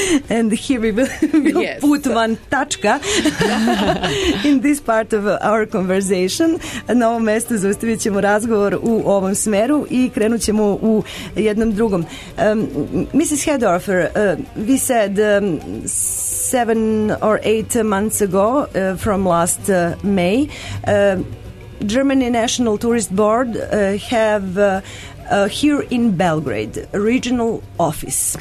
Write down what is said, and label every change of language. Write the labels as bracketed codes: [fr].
[en] and here we will put one tačka in this part of our conversation. [sr] Na ovom mestu zaustavit ćemo razgovor u ovom smeru i krenut ćemo u jednom drugom. [en] Mrs. Hedorfer, we said 7 or 8 months ago from last May, Germany National Tourist Board have here in Belgrade a regional office.